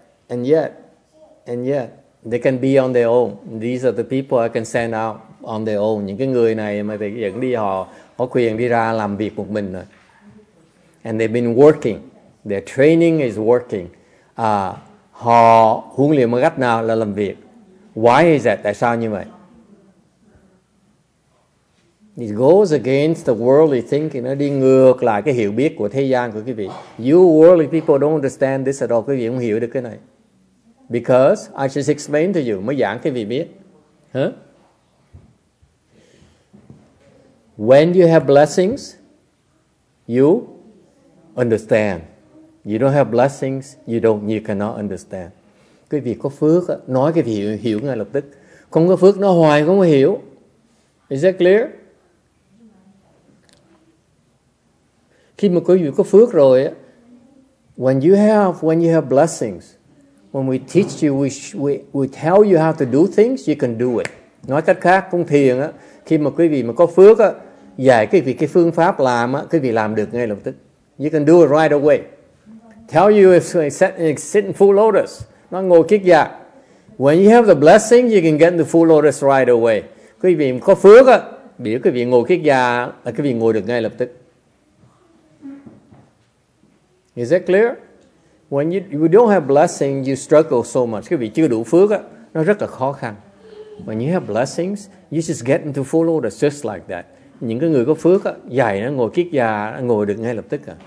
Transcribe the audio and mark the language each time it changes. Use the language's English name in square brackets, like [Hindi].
[English] And yet, they can be on their own. These are the people I can send out on their own. [Vietnamese] Những cái người này mà thì dẫn đi họ có quyền đi ra làm việc một mình rồi. [English] And they've been working. Their training is working. [Vietnamese] Họ huấn luyện một cách nào là làm việc. [English] Why is that? [Vietnamese] Tại sao như vậy? [English] It goes against the worldly thinking. [Vietnamese] Nó đi ngược lại cái hiểu biết của thế gian của quý vị. [English] You worldly people don't understand this at all. [Vietnamese] Quý vị không hiểu được cái này. [English] Because I just explained to you. [Vietnamese] Mới giảng quý vị biết. [English] Huh? When you have blessings, you understand. You don't have blessings, you cannot understand. [Vietnamese] Quý vị có phước, nói cái vị hiểu ngay lập tức. Không có phước, nó hoài không có hiểu. [English] Is that clear? [Vietnamese] Khi mà quý vị có phước rồi, [English] when you have blessings, when we teach you, we tell you how to do things, you can do it. [Vietnamese] Nói cách khác, con thiền, khi mà quý vị mà có phước, dạy quý vị cái phương pháp làm, quý vị làm được ngay lập tức. [English] You can do it right away. Tell you if you sit in full lotus, [Vietnamese] nó ngồi kiết dạ. [English] When you have the blessing, you can get the full lotus right away. [Vietnamese] Quý vị có phước, biểu quý vị ngồi kiết dạ, là quý vị ngồi được ngay lập tức. [English] Is that clear? When you don't have blessing, you struggle so much. [Vietnamese] Quý vị chưa đủ phước, nó rất là khó khăn. [English] When you have blessings, you just get into full lotus, just like that. [Vietnamese] Những cái người có phước, dạy nó ngồi kiết dạ, ngồi được ngay lập tức.